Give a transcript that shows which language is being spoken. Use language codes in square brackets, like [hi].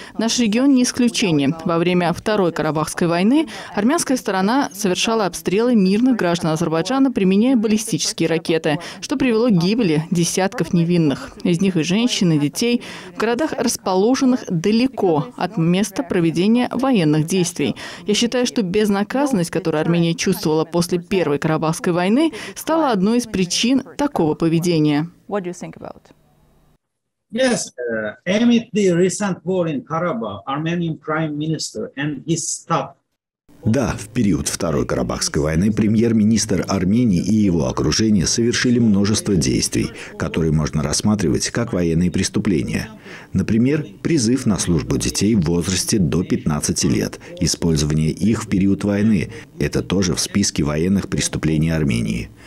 [ru] Наш регион не исключение. Во время Второй Карабахской войны армянская сторона совершала обстрелы мирных граждан Азербайджана, применяя баллистические ракеты, что привело к гибели десятков невинных. Из них и женщин, и детей в городах, расположенных далеко от места проведения военных действий. Я считаю, что безнаказанность, которую Армения чувствовала после Первой Карабахской войны, стала одной из причин такого поведения. [en] What do you think about? Yes, amid the recent war in Karabakh, Armenian Prime Minister and his staff. [ru] Да, в период Второй Карабахской войны премьер-министр Армении и его окружение совершили множество действий, которые можно рассматривать как военные преступления. Например, призыв на службу детей в возрасте до 15 лет, использование их в период войны – это тоже в списке военных преступлений Армении.